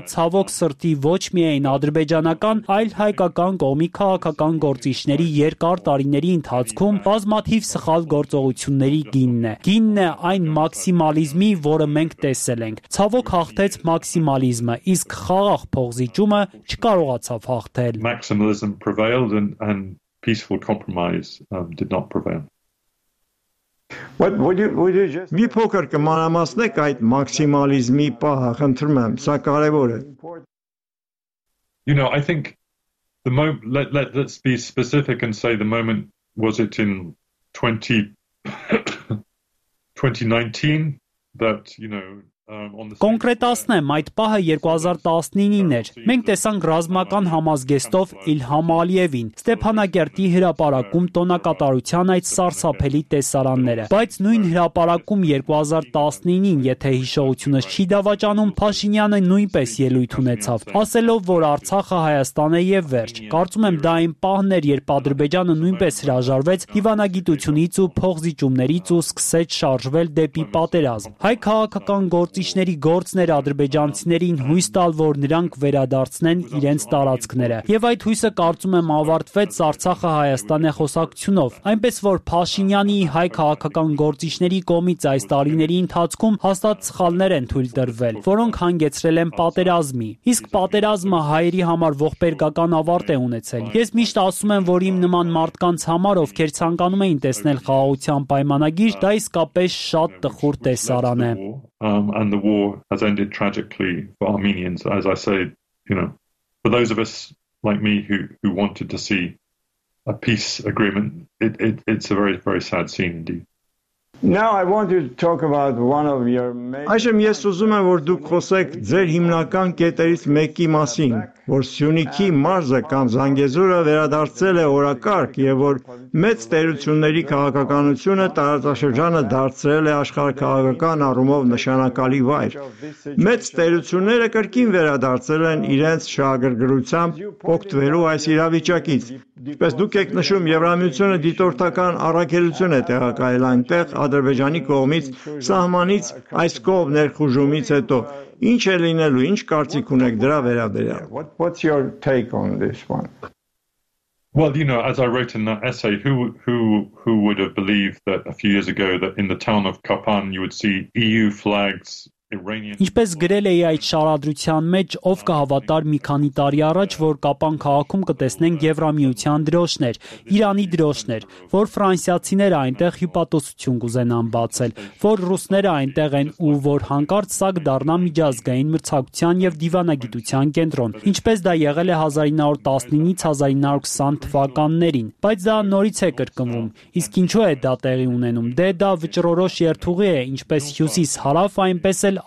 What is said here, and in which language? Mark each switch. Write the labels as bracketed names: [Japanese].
[Armenian] ցավոք սրտի ոչ միայն ադրբեջանական, այլ հայկական կողմի քաղաքական գործիչների երկար տարիների ընթացքում բազմաթիվ սխալ գործողությունների գինն է։ Գինն է այն մաքսիմալիզմի, որը մենք տեսել ենք։ Ցավոք հաղթել maximalisma isk khagagh phogzichuma chkarogatsav hagtel [English] maximalism prevailed and peaceful compromise did not prevail. [Armenian] Մի փոքր կմանրամասնեք այդ մաքսիմալիզմի պահը, խնդրում եմ, սա կարևոր է։ [English] You know, I think the moment, let's be specific and say the moment, was it in 2019 that, you know, [Armenian] Կոնկրետացնեմ, այդ պահը 2019-ին էր։ Մենք տեսանք ռազմական համազգեստով Իլհամ Ալիևին Ստեփանակերտի հրապարակում տոնակատարության այդ սարսափելի տեսարանները։ Բայց նույն հրապարակում 2019-ին, եթե հիշողությունը չի դավաճանում, Փաշինյանը նույնպես ելույթ ունեցավ, ասելով, որ Արցախը Հայաստան է եւ վերջ։ Կարծում եմ, դա այն պահն էր, երբ Ադրբեջանը նույնպես հրաժարվեց դիվանագիտությունից ու փողզիջումներից ու սկսեց շարժվել դեպի պատերազմ։ Հայ քաղաքական գործիչների գործները ադրբեջանցիներին հույս տալ, որ նրանք վերադարձնեն իրենց տարածքները։ Եվ այդ հույսը, կարծում եմ, ավարտվեց Արցախը Հայաստանի խոսակցությունով, այնպես որ Փաշինյանի հայ քաղաքական գործիչների կոմից այս տարիների ընթացքում հաստատ սխալներ են թույլ դրվել, որոնք հանգեցրել են պատերազմի։ Իսկ պատերազմը հայերի համար ողբերգական ավարտ է ունեցել։ Ես միշտ ասում եմ, որ իմ նման մարդկանց համար, ովքեր ցանկանում են տեսնել խաղաղության պայմանագիր, դա իսկապես շատ տխուր տեսարան է։ [English] And the war has ended tragically for Armenians, as I say, you know, for those of us like me who wanted to see a peace agreement, it's a very, very sad scene indeed. Now I want to talk about one of your main... [Armenian] Այժմ ես ուզում եմ, որ դուք խոսեք ձեր հիմնական կետերից մեկի մասին, որ Սյունիքի մարզը կամ Զանգեզուրը վերադարձել է օրակարգ եւ որ մեծ տերությունների քաղաքականությունը տարածաշրջանը դարձրել է աշխարհքաղաքական առումով նշանակալի վայր։ Մեծ տերությունները կրկին վերադարձել են իրենց շահագրգռությամբ օգտվելու այս իրավիճակից։ Ինչպես դուք եք նշում, Եվրամիությունը դիտորդական առաքելություն է տեղակայել այնտեղ Ադրբեջանի կողմից սահմանից այս կողմ ներխուժումից հետո։ Ինչ է լինելու, ինչ կարծիք ունեք դրա վերաբերյալ։ [English] What's your take on this one? Well, you know, as I wrote in that essay, who would have believed that a few years ago that in the town of Kapan you would see EU flags? [Armenian] Ինչպես գրել էի այդ շարադրության մեջ, ով կհավատար մի քանի տարի առաջ, որ Կապան քաղաքում կտեսնենք Եվրամիության դրոշներ, Իրանի դրոշներ, որ ֆրանսիացիները այնտեղ հյուպատոսություն կուզենան բացել, որ ռուսները այնտեղ են ու որ հանկարծ սա կդառնա միջազգային մրցակցության եւ դիվանագիտության կենտրոն, ինչպես դա եղել է 1919-ից 1920 թվականներին, բայց դա նորից է կրկնվում։ Իսկ ինչու է դա տեղի ունենում? Դե դա վճռորոշ երթուղի է, ինչպես հյուսիս հարավ, այնպես էլ